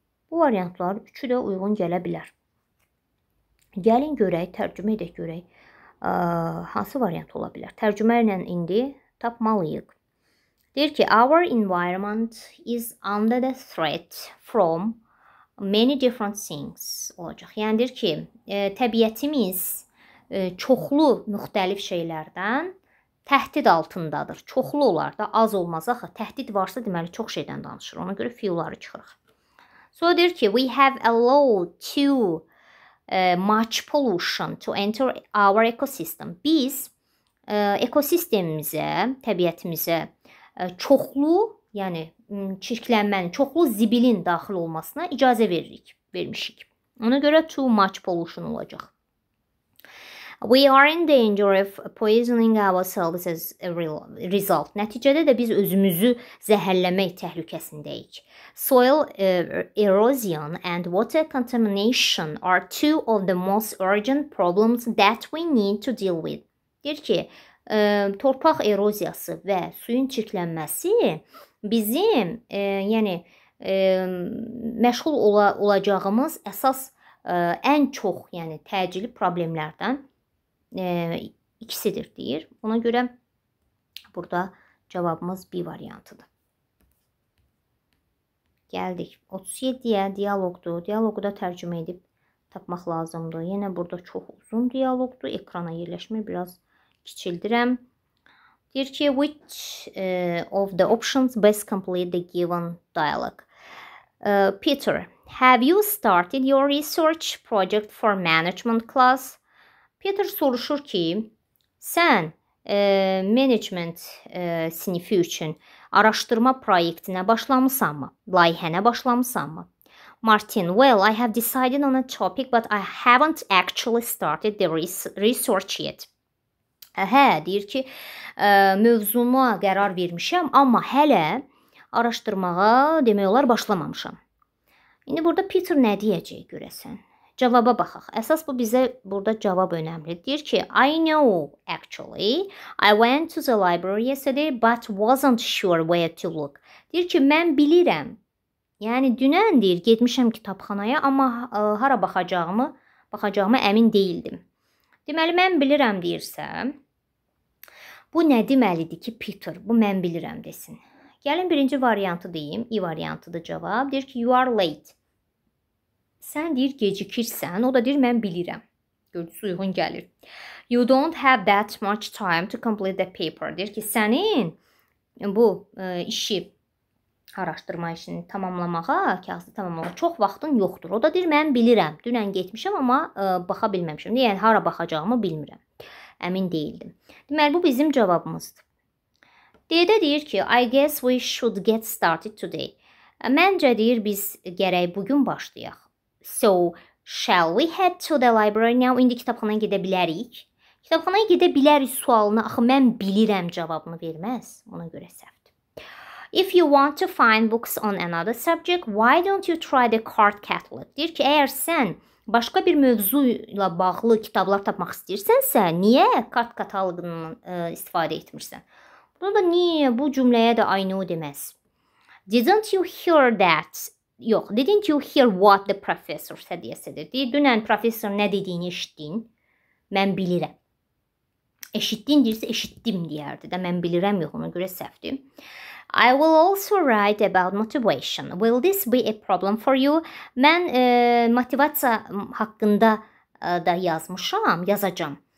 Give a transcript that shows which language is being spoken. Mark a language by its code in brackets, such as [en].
[az] Bu variantlar üçü də uyğun gələ bilər. Gəlin görək, tərcümə edək görək, hansı variant ola bilər? Tərcümə ilə indi tapmalıyıq. Deyir ki, [en] our environment is under the threat from many different things [az] olacaq. Yəni, deyir ki, təbiətimiz çoxlu müxtəlif şeylərdən təhdid altındadır. Çoxlu olar da, az olmaz axı. Təhdid varsa, deməli, çox şeydən danışır. Ona görə fiyuları çıxırıq. [en] So, [az] deyir ki, [en] we have allowed too much pollution to enter our ecosystem. [az] Biz ekosistemimizə, təbiətimizə çoxlu, yəni çirklənmənin, çoxlu zibilin daxil olmasına icazə veririk, vermişik. Ona görə [en] too much pollution [az] olacaq. [en] We are in danger of poisoning ourselves as a result. [az] Nəticədə də biz özümüzü zəhərləmək təhlükəsindəyik. [en] Soil erosion and water contamination are two of the most urgent problems that we need to deal with. [az] Deyir ki, torpaq eroziyası və suyun çirklənməsi bizim yəni, məşğul olacağımız əsas ən çox yəni, təcili problemlərdən ikisidir, deyir. Ona görə burada cavabımız B variantıdır. Gəldik. 37-yə dialoqdur. Dialoqu da tərcümə edib tapmaq lazımdır. Yenə burada çox uzun dialoqdur. Ekrana yerləşmə biraz kiçildirəm. Deyir ki, [en] which of the options best complete the given dialogue? Peter, have you started your research project for management class? [az] Peter soruşur ki, sən management sinifi üçün araşdırma proyektinə başlamısanmı? Layihənə başlamısanmı? [en] Martin, well, I have decided on a topic, but I haven't actually started the research yet. [az] Hə, deyir ki, mövzuma qərar vermişəm, amma hələ araşdırmağa demək olar başlamamışam. İndi burada Peter nə deyəcək görəsən? Cavaba baxaq. Əsas bu, bizə burada cavab önəmlidir. Deyir ki, [en] I know, actually, I went to the library yesterday, but wasn't sure where to look. [az] Deyir ki, mən bilirəm. Yəni, dünən, deyir, getmişəm kitabxanaya, amma hara baxacağımı əmin deyildim. Deməli, mən bilirəm deyirsə, bu nə deməlidir ki, Peter, bu mən bilirəm desin. Gəlin birinci variantı deyim, i variantıdır cavab. Deyir ki, [en] you are late. [az] Sən deyir, gecikirsən, o da deyir, mən bilirəm. Gördüyünüz uyğun gəlir. [en] You don't have that much time to complete the paper. [az] Deyir ki, sənin bu işi, araşdırma işini tamamlamağa, kağızı tamamlamağa çox vaxtın yoxdur. O da deyir, mən bilirəm. Dünən getmişəm, amma baxa bilməmişəm. Yəni, hara baxacağımı bilmirəm. Əmin deyildim. Deməli, bu bizim cavabımızdır. D-də deyir ki, [en] I guess we should get started today. [az] Məncə deyir, biz gərək bugün başlayaq. [en] So, shall we head to the library now? [az] İndi kitabxanaya gedə bilərik. Kitabxanaya gedə bilərik sualını. Axı, mən bilirəm cavabını verməz. Ona görə səhvdir. [en] If you want to find books on another subject, why don't you try the card catalog? [az] Deyir ki, əgər sən başqa bir mövzu ilə bağlı kitablar tapmaq istəyirsənsə, niyə kart kataloqundan istifadə etmirsən? Bunu da niyə bu cümləyə də [en] I know [az] deməz. [en] Didn't you hear that? [az] Yox, [en] didn't you hear what the professor said yesterday? [az] Dünən professor nə dediyini eşitdin? Mən bilirəm. Eşitdin deyirsə, eşitdim deyərdi də. Mən bilirəm yox, ona görə səhvdir. [en] I will also write about motivation. Will this be a problem for you? [az] Mən motivasiya haqqında da yazmışam, yazacam.